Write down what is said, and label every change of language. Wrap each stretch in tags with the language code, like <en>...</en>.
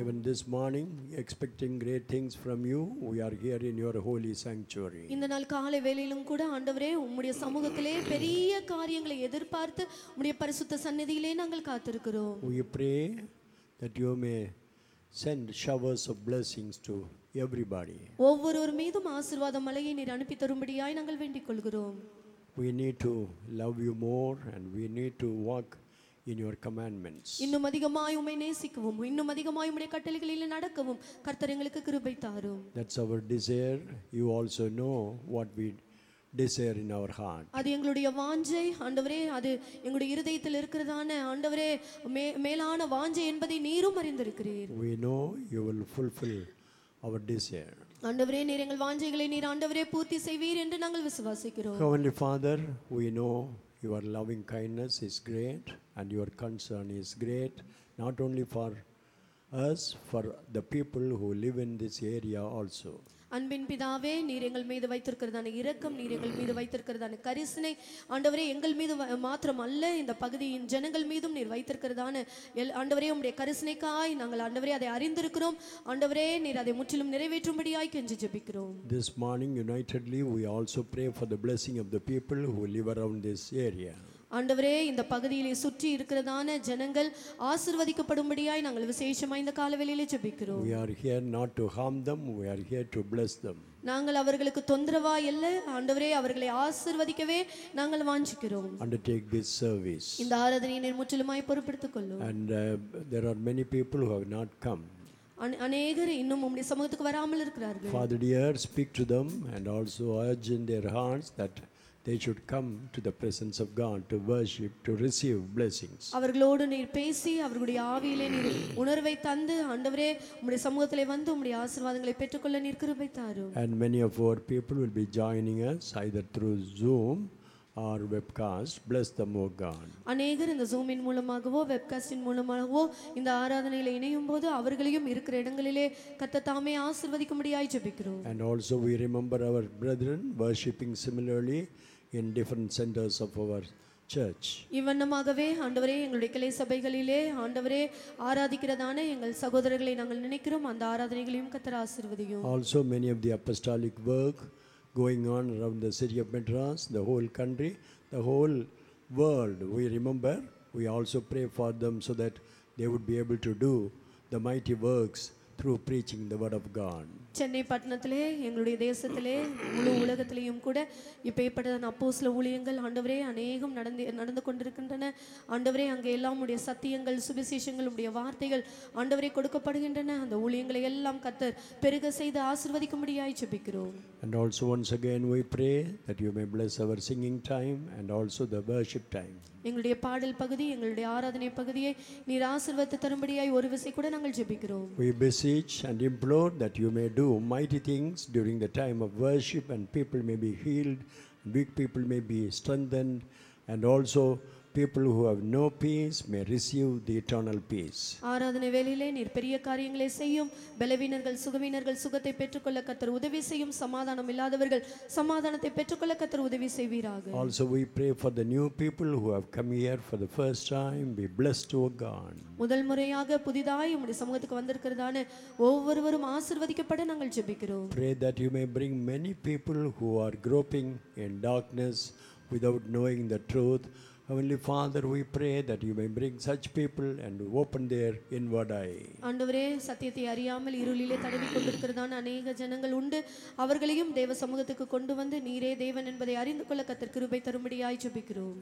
<en>even this morning expecting great things from you we are here in your holy sanctuary</en> <ta>inda naal kaalavelilum kuda aandavare umde samugathile peri காரியங்களை எதிர்பார்த்து உம்முடைய பரிசுத்த சன்னதியிலே நாங்கள் காத்திருக்கிறோம்</ta> <en>we pray that you may send showers of blessings to everybody.</en> <ta>ஒவ்வொருவர் மீதும் ஆசீர்வாத மழையை நீர் அனுப்பி தரும்படியாய் நாங்கள் வேண்டிக்கொள்கிறோம்.</ta> <en>We need to love you more and we need to walk in your commandments.</en> <ta>இன்னும் அதிகமாய் உம்மை நேசிக்கவும் இன்னும் அதிகமாய் உம்முடைய கட்டளைகளிலே நடக்கவும் கர்த்தர் எங்களுக்கு கிருபை தாரும்.</ta> <en>That's our desire. You also know what we desire in our heart.</en> <ta>அது எங்களுடைய வாஞ்சை ஆண்டவரே, அது எங்களுடைய இருதயத்தில் இருக்கிறதான ஆண்டவரே, மேலான வாஞ்சை என்பதை நீரும் அறிந்திருக்கிறீர்.</ta> <en>We know you will fulfill our desire.</en> <ta>ஆண்டவரே, நீர் எங்கள் வாஞ்சைகளை நீர் ஆண்டவரே பூர்த்தி செய்வீர் என்று நாங்கள் விசுவாசிக்கிறோம்.</ta> <en>Heavenly Father, we know your loving kindness is great and your concern is great, not only for us, for the people who live in this area also.</en> <ta>அன்பின் பிதாவே, நீர் எங்கள் மீது வைத்திருக்கிறதான இரக்கம், நீர் எங்கள் மீது வைத்திருக்கிறதான கரிசனை ஆண்டவரே, எங்கள் மீது மாத்திரம் அல்ல, இந்த பகுதியின் ஜனங்கள் மீதும் நீர் வைத்திருக்கிறதான ஆண்டவரே உம்முடைய கரிசனைக்காய் நாங்கள் ஆண்டவரே அதை அறிந்திருக்கிறோம். ஆண்டவரே, நீர் அதை முற்றிலும் நிறைவேற்றும்படியாய் கெஞ்சி ஜெபிக்கிறோம்.</ta> <en>This morning unitedly we also pray for the blessing of the people who live around this area.</en> <ta>ஆண்டவரே, இந்த பகுதியிலே சுற்றி இருக்கிறதான ஜனங்கள் ஆசீர்வதிக்கப்படும்படியாய் நாங்கள் விசேஷமாய் இந்த காலவெளியிலே ஜெபிக்கிறோம்.</ta> <en>We are here not to harm them, we are here to bless them.</en> <ta>நாங்கள் அவர்களுக்கு தொந்தரவா இல்ல ஆண்டவரே, அவர்களை ஆசீர்வதிக்கவே நாங்கள் வாஞ்சிக்கிறோம்.</ta> <en>Undertake this service.</en> <ta>இந்த ஆராதனையை முற்றிலுமாய் பொறுப்பெடுத்துக் கொள்ளும்.</ta> <en>And there are many people who have not come.</en> <ta>அநேகர் இன்னும் உம்முடைய சமூகத்துக்கு வராமல் இருக்கிறார்கள்.</ta> <en>Father dear, speak to them and also urge in their hearts that they should come to the presence of God to worship, to receive blessings.</en> <ta>அவர்களோடு நீர் பேசி அவர்களுடைய ஆவியிலே நீர் உணர்வை தந்து ஆண்டவரே உம்முடைய சமூகத்திலே வந்து உம்முடைய ஆசீர்வாதங்களை பெற்றுக்கொள்ள நீர் கிருபை தாரும்.</ta> <en>And many of our people will be joining us either through Zoom or webcast. Bless them, O God.</en> <ta>அநேகர் இந்த Zoom இன் மூலமாகவோ webcast இன் மூலமாகவோ இந்த ஆராதனையிலே இணையும் போது அவர்களையும் இருக்கிற இடங்களிலே கர்த்தர் தாமே ஆசீர்வதிக்கும்படியாய் ஜெபிக்கிறோம்.</ta> <en>And also we remember our brethren worshiping similarly in different centers of our church.</en> <ta>இவ்வண்ணமாகவே ஆண்டவரே எங்களுடைய கிளை சபைகளிலே ஆண்டவரே ஆராதிக்கிறதான எங்கள் சகோதரர்களை நாங்கள் நினைக்கிறோம். அந்த ஆராதனைகளையும் கர்த்தர் ஆசீர்வதியும்.</ta> <en>Also many of the apostolic work going on around the city of Madras, the whole country, the whole world, we remember, we also pray for them so that they would be able to do the mighty works through preaching the word of God.</en> <ta>Chennai பட்டணத்திலே எங்களுடைய தேசத்திலே முழு உலகத்திலேயும் கூட இப்பேற்பட்ட அப்போஸ்தல ஊழியங்கள் ஆண்டவரே அநேகம் நடந்து கொண்டிருக்கின்றன ஆண்டவரே. அங்கே எல்லாம் உடைய சத்தியங்கள், சுவிசேஷங்கள், உடைய வார்த்தைகள் ஆண்டவரே கொடுக்கப்படுகின்றன. அந்த ஊழியங்களை எல்லாம் கர்த்தர் பெருக செய்து ஆசீர்வதிக்கும்படியாய் ஜெபிக்கிறோம்.</ta> <en>And also once again we pray that you may bless our singing time and also the worship time.</en> <ta>எங்களுடைய பாடல் பகுதி, எங்களுடைய ஆராதனை பகுதியை நீர் ஆசீர்வதித்து தரும்படியாய் ஒரு விசை கூட நாங்கள் ஜெபிக்கிறோம்.</ta> <en>We beseech and implore that you may do mighty things during the time of worship and people may be healed, weak people may be strengthened, and also people who have no peace may receive the eternal peace.</en> <ta>ஆராதனை வேளையிலே நீர் பெரிய காரியங்களை செய்யும். பலவீனர்கள், சுகவீனர்கள் சுகத்தை பெற்றுக்கொள்ள கர்த்தர் உதவி செய்யும். சமாதானம் இல்லாதவர்கள் சமாதானத்தை பெற்றுக்கொள்ள கர்த்தர் உதவி செய்வீராக.</ta> <en>Also we pray for the new people who have come here for the first time. Be blessed, O God.</en> <ta>முதல் முறையாக புதிதாய் உம்முடைய சமூகத்துக்கு வந்திருக்கிறதான ஒவ்வொருவரும் ஆசீர்வதிக்கப்பட நாங்கள் ஜெபிக்கிறோம்.</ta> <en>Pray that you may bring many people who are groping in darkness without knowing the truth. Heavenly Father, we pray that you may bring such people and open their inward eye.</en> <ta>ஆண்டவரே, சத்தியத்தை அறியாமல் இருளிலே தடவி கொண்டிருக்கிறதான அநேக ஜனங்கள் உண்டு. அவர்களையும் தேவ சமூகத்துக்கு கொண்டு வந்து நீரே தேவன் என்பதை அறிந்து கொள்ள கர்த்தர் கிருபை தரும்படியாய் ஜெபிக்கிறோம்.</ta>